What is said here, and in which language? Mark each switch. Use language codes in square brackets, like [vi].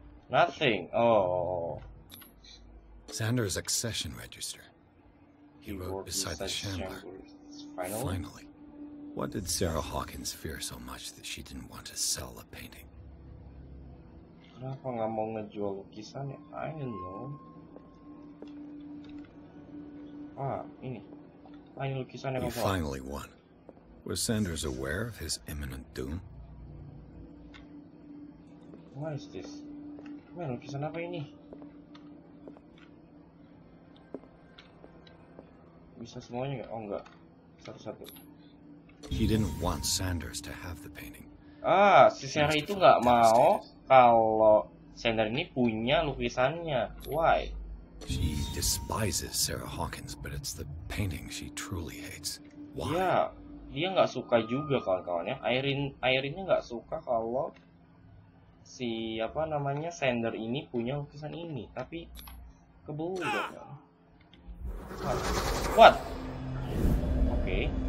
[en] Nothing. Oh. Sanders accession register. He wrote beside the Shambler. Finally. What did Sarah Hawkins fear so much that she didn't want to sell the painting? [id] Kenapa nggak mau ngejual lukisannya? [en] I don't know. [id] Ah, ini. Ah, ini lukisannya [en] apa? He finally won. Was Sanders aware of his imminent doom? What is this? Man, [id] lukisan apa ini? Bisa semuanya nggak? Oh, nggak. Satu-satu. [en] He didn't want Sanders to have the painting. [id] Ah, si Sarah itu nggak mau kalau Sanders ini punya lukisannya. [en] Why? She despises Sarah Hawkins, but it's the painting she truly hates. Why? [id] Ya, dia nggak suka juga kawan-kawannya. Irene-nya nggak suka kalau si apa namanya Sanders ini punya lukisan ini. Tapi kebulu juga. Kan? What? Oke. Okay.